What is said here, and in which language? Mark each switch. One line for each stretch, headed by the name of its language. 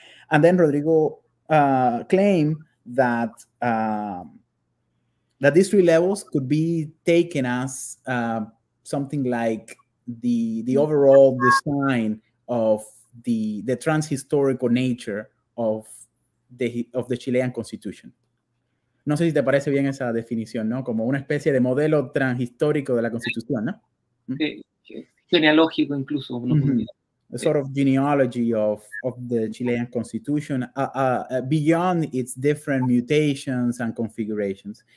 English: And then Rodrigo claimed that that these three levels could be taken as something like the overall design of the transhistorical nature of the Chilean constitution.
Spanish: No sé si te parece bien esa definición, ¿no? Como una especie de modelo transhistórico de la constitución, ¿no? Genealógico incluso.
English: A sort of genealogy of the Chilean constitution beyond its different mutations and configurations.